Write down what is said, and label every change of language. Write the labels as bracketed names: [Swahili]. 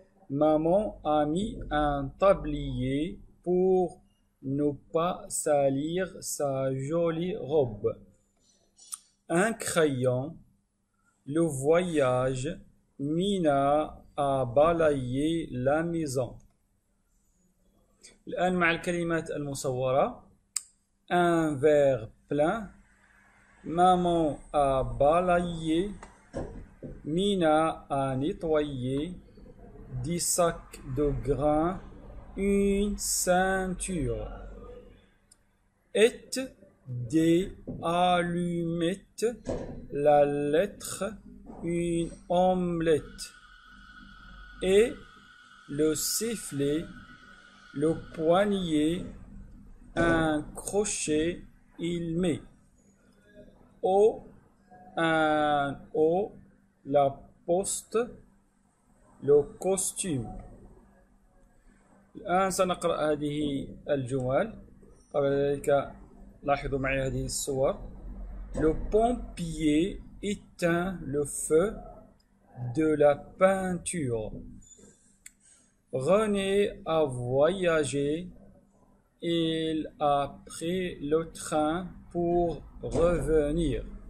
[French] Maman a mis un tablier pour ne pas salir sa jolie robe. Un crayon, le voyage, Mina à balayer la maison. [Arabic] الآن مع الكلمات المصورة. [French] Un verre plein. Maman a balayé. Mina a nettoyé. Des sacs de grains. Une ceinture. Et des allumettes. La lettre. Une omelette. Et le sifflet, le poignet, un crochet, il met. O, un O, la poste, le costume. [Arabic] الآن سنقرأ هذه الجمل. قبل ذلك لاحظوا معي هذه الصور. [French] Le pompier éteint le feu de la peinture. René a voyagé. Il a pris le train pour revenir.